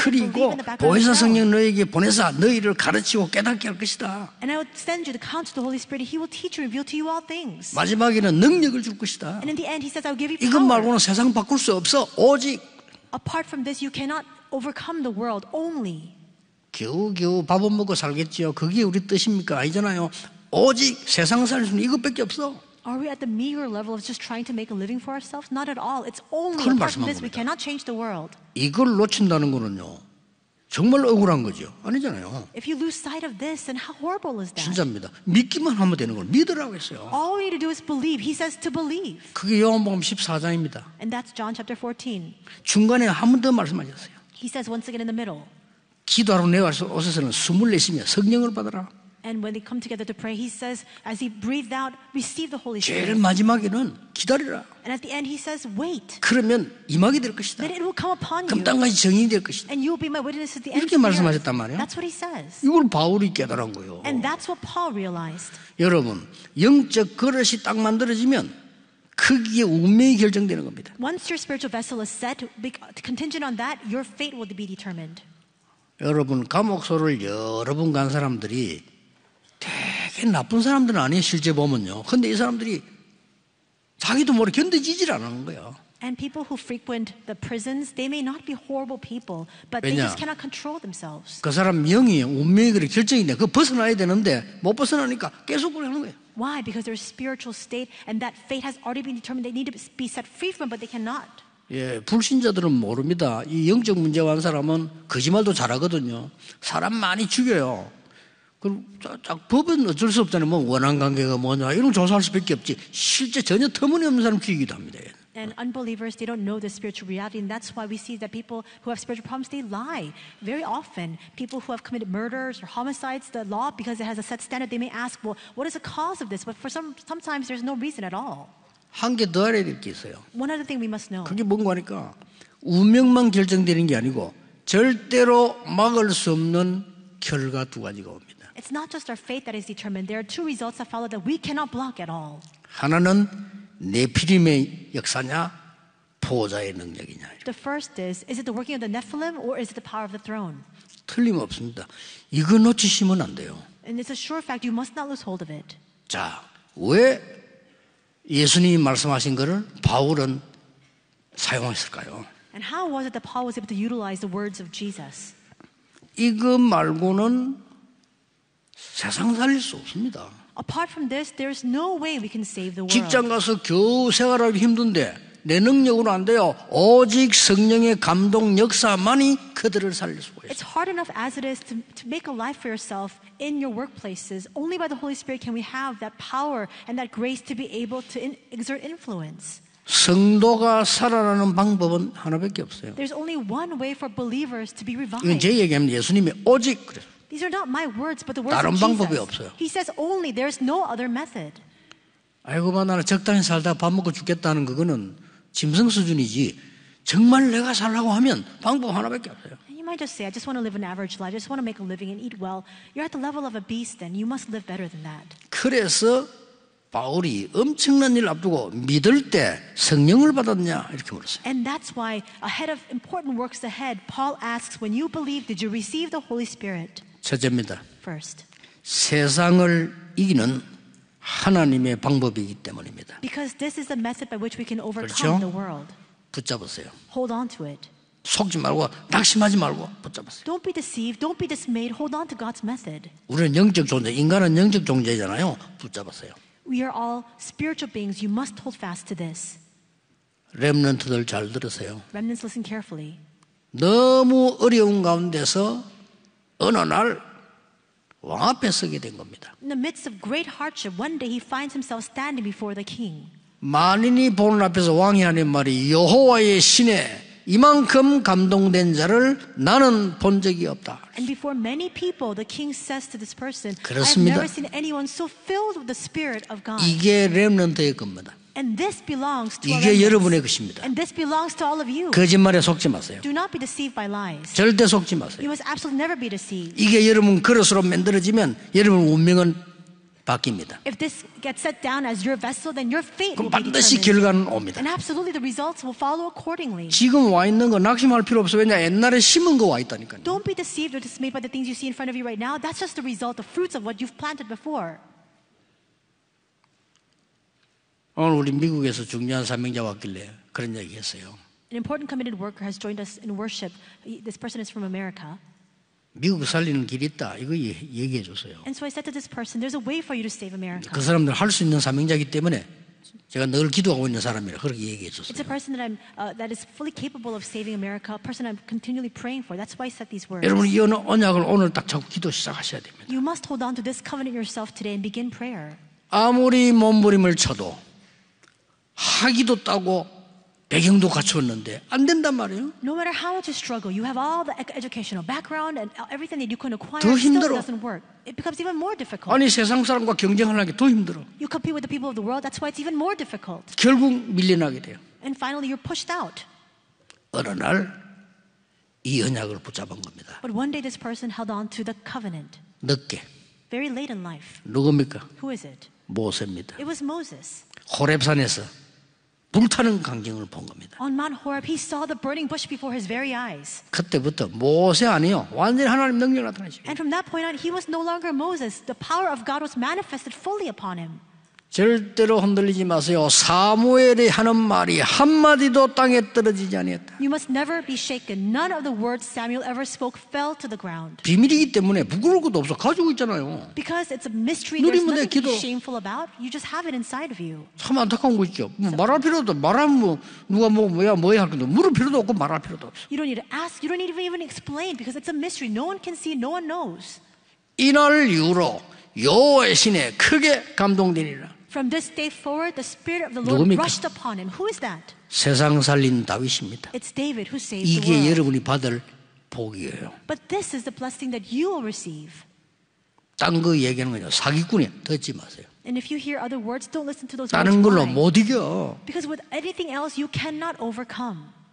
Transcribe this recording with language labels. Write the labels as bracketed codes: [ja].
[ko] 그리고 보혜사 성령 너에게 보내사 너희를 가르치고 깨닫게 할 것이다. [en] And I will send you the counsel of the Holy Spirit. He will teach you, reveal to you all things. [ko] 마지막에는 능력을 줄 것이다. [en] And in the end, he says, I will give you power. [ko] 이것 말고는 세상 바꿀 수 없어. 오직 [en] Apart from this, you cannot overcome the world only. [ko] 겨우겨우 밥은 먹고 살겠지요. 그게 우리 뜻입니까? 아니잖아요. 오직 세상 살 수는 이것밖에 없어. [en] Are we at the meager level of just trying to make a living for ourselves? Not at all. It's only apart from this we cannot change the world. [ko] 이걸 놓친다는 거는요. 정말 억울한 거죠. 아니잖아요. [en] If you lose sight of this, then how horrible is that? [ko] 진짜입니다. 믿기만 하면 되는 걸 믿으라고 했어요. [en] All we need to do is believe. He says to believe. [ko] 그게 요한복음 14장입니다. [en] And that's John chapter 14. [ko] 중간에 한 번 더 말씀하셨어요. [en] He says once again in the middle. [ko] 기도하러 내가 오셔서는 숨을 내쉬며 성령을 받으라. [en] And when they come together to pray, he says, as he breathed out, receive the Holy Spirit. [ko] 제일 마지막에는 기다리라. [en] And at the end, he says, wait. [ko] 그러면 임하게 될 것이다. [en] Then it will come upon you. [ko] 그럼 땅까지 증인이 될 것이다. [en] And you will be my witness at the end. [ko] 이렇게 말씀하셨단 말이야. [en] That's what he says. [ko] 이걸 바울이 깨달은 거예요. [en] And that's what Paul realized. [ko] 여러분, 영적 그릇이 딱 만들어지면 그게 운명이 결정되는 겁니다. [en] Once your spiritual vessel is set, contingent on that, your fate will be determined. [ko] 여러분, 감옥소를 여러 번 간 사람들이 되게 나쁜 사람들은 아니에요, 실제 보면요. 근데 이 사람들이 자기도 모르게 견뎌지질 않은 거예요. [en] And people who frequent the prisons, they may not be horrible people, but They just cannot control themselves. [ko] 그 사람 영이 운명이 그렇게 결정이네. 그 벗어나야 되는데 못 벗어나니까 계속 그렇게 하는 거예요. [en] Why? Because their spiritual state and that fate has already been determined. They need to be set free from it, but they cannot. [ko] 예, 불신자들은 모릅니다. 이 영적 문제 한 사람은 거짓말도 잘하거든요. 사람 많이 죽여요. 그럼 법은 어쩔 수 없잖아요. 뭐 원한 관계가 뭐냐 이런 조사할 수밖에 없지. 실제 전혀 터무니없는 사람 죽이기도 합니다. [en] And unbelievers, they don't know the spiritual reality, and that's why we see that people who have spiritual problems, they lie very often. People who have committed murders or homicides, the law because it has a set standard, they may ask, well, what is the cause of this? But for sometimes there's no reason at all. [ko] 한 개 더 알아야 될 게 있어요. [en] One other thing we must know. [ko] 그게 뭔가 하니까 운명만 결정되는 게 아니고 절대로 막을 수 없는 결과 두 가지가 옵니다. [en] It's not just our fate that is determined. There are two results that follow that we cannot block at all. [ko] 하나는 네피림의 역사냐, 보좌의 능력이냐. [en] The first is it the working of the Nephilim or is it the power of the throne? [ko] 틀림없습니다. 이거 놓치시면 안 돼요. [en] And it's a sure fact you must not lose hold of it. [ko] 자, 왜 예수님이 말씀하신 것을 바울은 사용했을까요? [en] And how was it that Paul was able to utilize the words of Jesus? [ko] 이거 말고는 세상 살릴 수 없습니다. [en] Apart from this, there is no way we can save the world. [ko] 직장 가서 겨우 생활하기 힘든데 내 능력으로 안 돼요. 오직 성령의 감동 역사만이 그들을 살릴 수 있어요. [en] It's hard enough as it is to make a life for yourself in your workplaces. Only by the Holy Spirit can we have that power and that grace to be able to exert influence. [ko] 성도가 살아나는 방법은 하나밖에 없어요. [en] There's only one way for believers to be revived. [ko] 이건 제 얘기입니다. 예수님이 오직 그래서. [en] These are not my words, but the words of [ko] Jesus. 다른 방법이 없어요. [en] He says only there is no other method. [ko] 아이고 나 적당히 살다 밥 먹고 죽겠다는 그거는 짐승 수준이지 정말 내가 살라고 하면 방법 하나밖에 없어요. [en] And you might just say, I just want to live an average life. I just want to make a living and eat well. You're at the level of a beast then. You must live better than that. [ko] 그래서 바울이 엄청난 일 앞두고 믿을 때 성령을 받았냐 이렇게 물었어요. [en] And that's why ahead of important works ahead, Paul asks, when you believe, did you receive the Holy Spirit? [ko] 첫째입니다. [en] First. [ko] 세상을 이기는 하나님의 방법이기 때문입니다. [en] Because this is the method by which we can overcome the world. [ko] 붙잡으세요. [en] Hold on to it. [ko] 속지 말고 낙심하지 말고 붙잡으세요. [en] Don't be deceived. Don't be dismayed. Hold on to God's method. [ko] 우리는 영적 존재, 인간은 영적 존재잖아요. 붙잡으세요. [en] We are all spiritual beings. You must hold fast to this. [ko] 렘넌트들 잘 들으세요. [en] Remnants, listen carefully. [ko] 너무 어려운 가운데서 어느 날 왕 앞에 서게 된 겁니다. [en] In the midst of great hardship, one day he finds himself standing before the king. [ko] 만인이 보는 앞에서 왕이 하는 말이 여호와의 신에 이만큼 감동된 자를 나는 본 적이 없다. [en] And before many people, the king says to this person, [ko] 그렇습니다. [en] I have never seen anyone so filled with the spirit of God. [ko] 이게 렘넌트의 겁니다. [en] And this belongs to [ko] 이게 여러분의 것입니다. [en] And this belongs to all of you. [ko] 거짓말에 속지 마세요. [en] Do not be deceived by lies. [ko] 절대 속지 마세요. [en] You must absolutely never be deceived. [ko] 이게 여러분 그릇으로 만들어지면 여러분 운명은 바뀝니다. [en] If this gets set down as your vessel, then your fate will be determined. [ko] 반드시 결과는 옵니다. [en] And absolutely, the results will follow accordingly. [ko] 지금 와 있는 거 낙심할 필요 없어. 왜냐, 옛날에 심은 거 와 있다니까요. [en] Don't be deceived or dismayed by the things you see in front of you right now. That's just the result, the fruits of what you've planted before. [ko] 오늘 우리 미국에서 중요한 사명자 왔길래 그런 얘기했어요. [en] An important committed worker has joined us in worship. This person is from America. [ko] 미국 살리는 길 있다. 이거 얘기해 줬어요. [en] And so I said to this person, there's a way for you to save America. [ko] 그 사람들 할 수 있는 사명자이기 때문에 제가 늘 기도하고 있는 사람이라 그렇게 얘기해 줬어요. [en] It's a person that I'm that is fully capable of saving America. A person I'm continually praying for. That's why I said these words. [ko] 여러분 이 언약을 오늘 딱 잡고 기도 시작하셔야 됩니다. [en] You must hold on to this covenant yourself today and begin prayer. [ko] 아무리 몸부림을 쳐도 하기도 따고 배경도 갖추었는데 안 된단 말이에요. [en] No matter how much you struggle, you have all the educational background and everything that you can acquire. [ko] 더 힘들어. [en] Still doesn't work. It becomes even more difficult. [ko] 아니 세상 사람과 경쟁하는 게 더 힘들어. [en] You compete with the people of the world. That's why it's even more difficult. [ko] 결국 밀려나게 돼요. [en] And finally, you're pushed out. [ko] 어느 날 이 언약을 붙잡은 겁니다. [en] But one day, this person held on to the covenant. [ko] 늦게. [en] Very late in life. [ko] 누굽니까? [en] Who is it? [ko] 모세입니다. [en] It was Moses. [ko] 호렙산에서. 불타는 광경을 본 겁니다. [en] On Mount Horeb, he saw the burning bush before his very eyes. [ko] 그때부터 모세 아니요, 완전히 하나님 능력 나타나시고. [en] And from that point on, he was no longer Moses. The power of God was manifested fully upon him. [ko] 절대로 흔들리지 마세요. 사무엘이 하는 말이 한 마디도 땅에 떨어지지 아니했다. [en] You must never be shaken. None of the words Samuel ever spoke fell to the ground. [ko] 비밀이기 때문에 부끄러울 것도 없어 가지고 있잖아요. [en] Because it's a mystery, there's nothing to be shameful about. You just have it inside of you. [ko] 참 안타까운 거 있죠. 뭐 말할 필요도 말하면 뭐 누가 뭐 뭐야 할 것도 물을 필요도 없고 말할 필요도 없어. [en] You don't need to ask. You don't need to even explain because it's a mystery. No one can see. No one knows. [ko] 이날 이후로 여호와의 신에 크게 감동되니라. [en] From this day forward, the spirit of the Lord [ko] 누굽니까? [en] rushed upon him. Who is that? [ko] 세상 살린 다윗입니다. [en] It's David who saved the world. [ko] 이게 여러분이 받을 복이에요. [en] But this is the blessing that you will receive. [ko] 딴 거 얘기하는 거죠. 사기꾼이 듣지 마세요. [en] And if you hear other words, don't listen to those words. [ko] 다른 걸로 못 이겨. [en] Because with anything else, you cannot overcome.